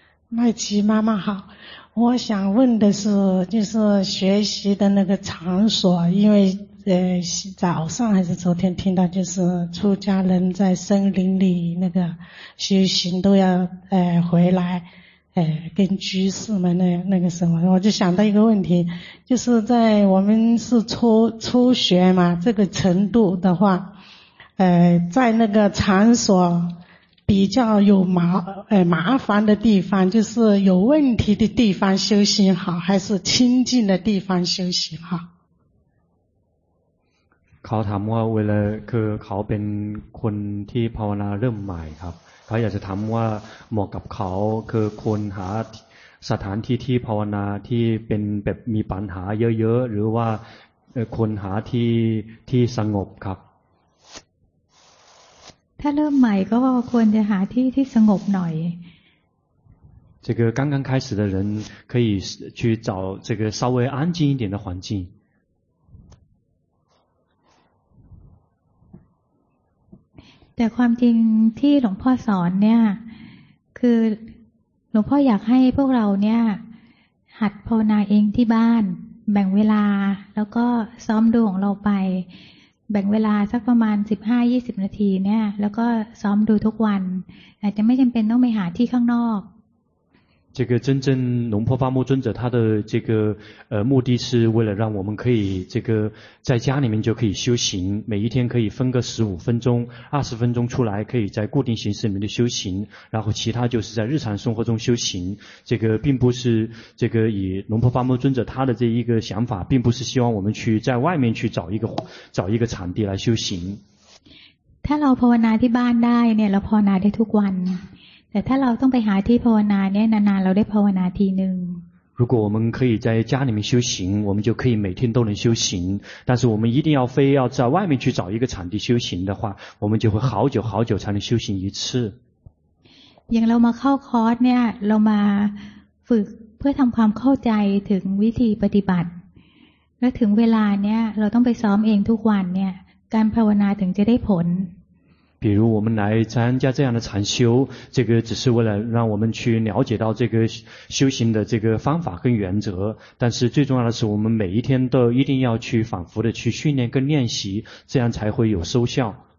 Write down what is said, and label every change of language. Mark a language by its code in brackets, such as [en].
[zh] 麦琪妈妈好，我想问的是，就是学习的那个场所，因为早上还是昨天听到，就是出家人在森林里那个修行都要回来，跟居士们那个什么，我就想到一个问题，就是在我们是初学嘛，这个程度的话，在那个场所。比较有麻烦的地方，就是有问题的地方修行好，还是清净的地方修行好？ [th] เขาถามว่าเวลาคือเขาเป็นคนที่ภาวนาเริ่มใหม่ครับเขาอยากจะถามว่าเหมาะกับเขาคือควรหาสถานที่ที่ภาวนาที่เป็นแบบมีปัญหาเยอะๆหรือว่าควรหาที่สงบครับ ถ้าเริ่มใหม่ก็ควรจะหาที่ที่สงบหน่อย [zh] 这个刚刚开始的人可以去找这个稍微安静一点的环境 [th] แต่ความจริงที่หลวงพ่อสอนเนี่ยคือหลวงพ่ออยากให้พวกเราเนี่ยหัดภาวนาเองที่บ้านแบ่งเวลาแล้วก็ซ้อมดูของเราไปแบ่งเวลาสักประมาณ 15-20 นาทีเนี่ยแล้วก็ซ้อมดูทุกวันอาจจะไม่จำเป็นต้องไปหาที่ข้างนอก [zh] 这个真正龙婆巴木尊者他的这个目的是为了让我们可以这个在家里面就可以修行，每一天可以分个15分钟、20分钟出来，可以在固定形式里面的修行，然后其他就是在日常生活中修行。这个并不是这个以龙婆巴木尊者他的这一个想法，并不是希望我们去在外面去找一个场地来修行。 [th] ถ้าเราภาวนาที่บ้านได้เนี่ยเราภาวนาได้ทุกวันแต่ถ้าเราต้องไปหาที่ภาวนาเนี่ยนานๆเราได้ภาวนาทีนึง [zh] 如果我们可以在家里面修行，我们就可以每天都能修行。但是我们一定要非要在外面去找一个场地修行的话，我们就会好久好久才能修行一次。 [th] อย่างเรามาเข้าคอร์สเนี่ยเรามาฝึกเพื่อทำความเข้าใจถึงวิธีปฏิบัติและถึงเวลาเนี่ยเราต้องไปซ้อมเองทุกวันเนี่ยการภาวนาถึงจะได้ผล [zh] 比如我们来参加这样的禅修，这个只是为了让我们去了解到这个修行的这个方法跟原则，但是最重要的是我们每一天都一定要去反复的去训练跟练习，这样才会有收效。